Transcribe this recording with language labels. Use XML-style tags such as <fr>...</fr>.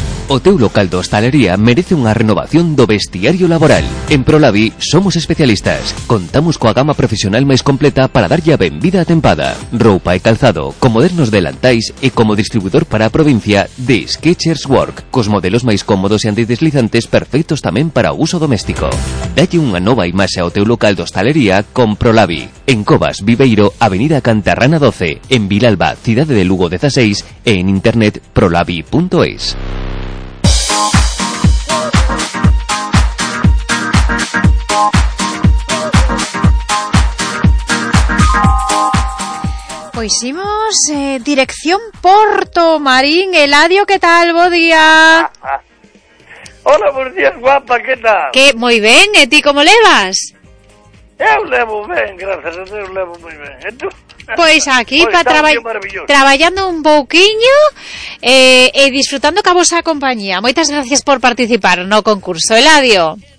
<gl>O teu local de hostalería merece unha renovación do bestiario laboral. En Prolabi somos especialistas. Contamos coa gama profesional máis completa para darlle a benvida atempada. Roupa e calzado, con modernos delantais e como distribuidor para a provincia de Skechers Work, cos modelos máis cómodos e antideslizantes perfectos tamén para o uso doméstico. Dalle unha nova imaxe ao teu local de hostalería con Prolabi. En Covas, Viveiro, Avenida Cantarrana 12, en Vilalba, Cidade de Lugo 16 e en internet prolabi.es. Pois imos dirección Porto Marín. Eladio, que tal? Bo día.</gl> <es>Hola, buenos días, guapa, que tal?</es> <gl>Que moi ben, e ti como levas? Eu levo ben, gracias a Deus, levo moi ben. E tú? Pois aquí, pois, traballando un pouquiño e disfrutando ca vosa compañía. Moitas gracias por participar no concurso, Eladio.</gl>